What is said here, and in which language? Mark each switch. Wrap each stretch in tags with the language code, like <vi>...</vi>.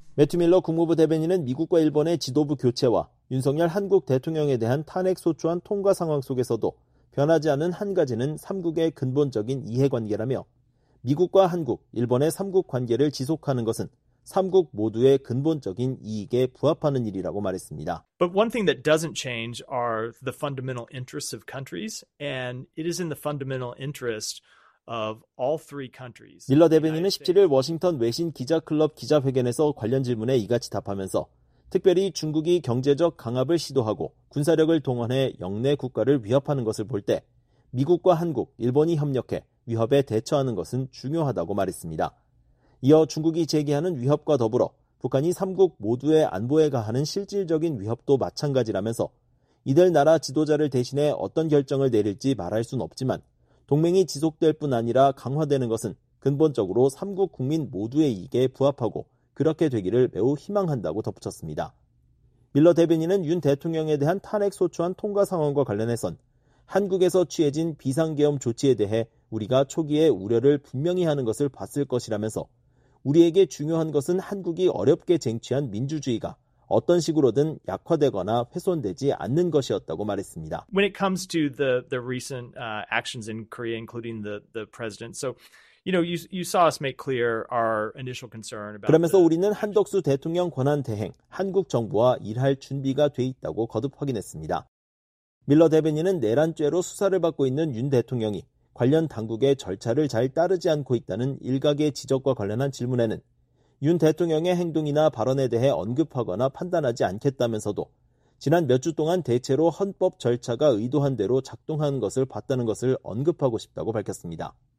<ko>매튜 밀러 국무부 대변인은 미국과 일본의 지도부 교체와 윤석열 한국 대통령에 대한 탄핵 소추안 통과 상황 속에서도 변하지 않은 한 가지는 3국의 근본적인 이해관계라며 미국과 한국, 일본의 3국 관계를 지속하는 것은 3국 모두의 근본적인 이익에 부합하는 일이라고 말했습니다.</ko> <en>But one thing that doesn't change are the fundamental interests of countries, and it is in the fundamental interest of all three countries.</en> <ko>밀러 대변인은 17일 워싱턴 외신 기자클럽 기자회견에서 관련 질문에 이같이 답하면서 특별히 중국이 경제적 강압을 시도하고 군사력을 동원해 영내 국가를 위협하는 것을 볼 때 미국과 한국, 일본이 협력해 위협에 대처하는 것은 중요하다고 말했습니다. 이어 중국이 제기하는 위협과 더불어 북한이 3국 모두의 안보에 가하는 실질적인 위협도 마찬가지라면서 이들 나라 지도자를 대신해 어떤 결정을 내릴지 말할 순 없지만 동맹이 지속될 뿐 아니라 강화되는 것은 근본적으로 3국 국민 모두의 이익에 부합하고 그렇게 되기를 매우 희망한다고 덧붙였습니다. 밀러 대변인은 윤 대통령에 대한 탄핵 소추안 통과 상황과 관련해선 한국에서 취해진 비상계엄 조치에 대해 우리가 초기에 우려를 분명히 하는 것을 봤을 것이라면서 우리에게 중요한 것은 한국이 어렵게 쟁취한 민주주의가 어떤 식으로든 약화되거나 훼손되지 않는 것이었다고 말했습니다.</ko> <en>When it comes to the recent actions in Korea, including the president, so you know you saw us make clear our initial concern about.</en> <ko>그러면서 우리는 한덕수 대통령 권한 대행, 한국 정부와 일할 준비가 돼 있다고 거듭 확인했습니다. 밀러 대변인은 내란죄로 수사를 받고 있는 윤 대통령이 관련 당국의 절차를 잘 따르지 않고 있다는 일각의 지적과 관련한 질문에는 윤 대통령의 행동이나 발언에 대해 언급하거나 판단하지 않겠다면서도 지난 몇 주 동안 대체로 헌법 절차가 의도한 대로 작동하는 것을 봤다는 것을 언급하고 싶다고 밝혔습니다.</ko>